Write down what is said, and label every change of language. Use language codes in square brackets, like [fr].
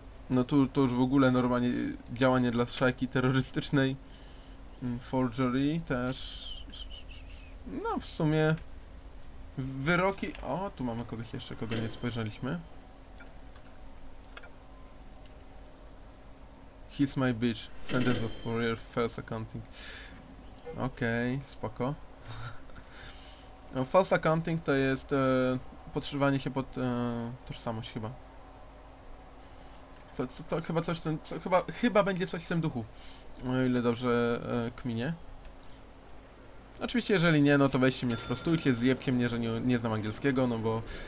[pl] No tu to już w ogóle normalnie działanie dla szajki terrorystycznej. Forgery też. No w sumie wyroki. O, tu mamy kogoś jeszcze, kogo nie spojrzeliśmy. [en] He's my bitch. Sentence of career, false accounting. [pl] Okej, okay, spoko. No, false accounting to jest podszywanie się pod tożsamość chyba. To chyba coś w tym, co, chyba będzie coś w tym duchu. O ile dobrze kminie. Oczywiście, jeżeli nie, no to weźcie mnie, sprostujcie, zjebcie mnie, że nie znam angielskiego, no bo...